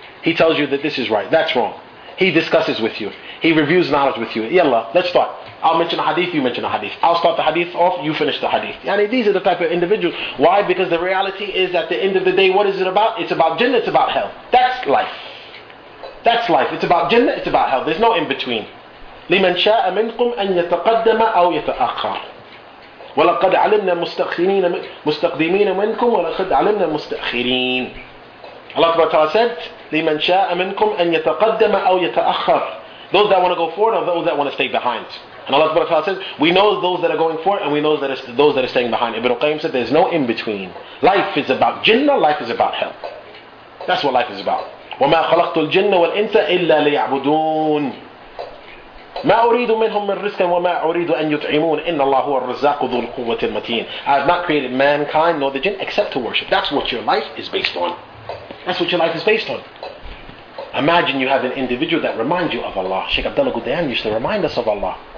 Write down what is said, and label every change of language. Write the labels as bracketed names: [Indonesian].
[English] He tells you that this is right, that's wrong. He discusses with you. He reviews knowledge with you. Yalla, let's start. I'll mention a hadith, you mention a hadith. I'll start the hadith off, you finish the hadith. Yani these are the type of individuals. Why? Because the reality is at the end of the day, what is it about? It's about Jannah, it's about hell. That's life. That's life. It's about Jannah, it's about hell. There's no in between. [Arabic] لِمَنْ شَاءَ مِنْكُمْ أَنْ يَتَقَدَّمَ أَوْ يَتَأَخَّرَ وَلَقَدْ عَلِمْنَا مُسْتَقْدِمِينَ مِنْكُمْ وَلَقَدْ عَلِمْنَا مُسْتَأْخِرِينَ Allah Subhanahu wa Taala said, "لِمَنْ شَاءَ مِنْكُمْ أَنْ يَتَقَدَّمَ أَوْ يَتَأَخَّرَ." [English] Those that want to go forward, or those that want to stay behind. And Allah Subhanahu wa Taala says, "We know those that are going forward, and we know that those that are staying behind." Ibn Qayyim said, "There's no in between. Life is about Jannah. Life is about hell. That's what life is about." [Arabic] وَمَا خَلَقْتُ الْجِنَّ وَالْإِنسَ إِلَّا لِيَعْبُدُونَ مَا أُرِيدُ مِنْهُمْ مِنْ رِزْقٍ وَمَا أُرِيدُ أَنْ يُطْعِمُونَ إِنَّ اللَّهُ هُوَ الرَّزَّاقُ ذُو الْقُوَّةِ الْمَتِينَ [English] I have not created mankind nor the jinn except to worship. That's what your life is based on. That's what your life is based on. Imagine you have an individual that reminds you of Allah. Sheikh Abdullah Gudan used to remind us of Allah.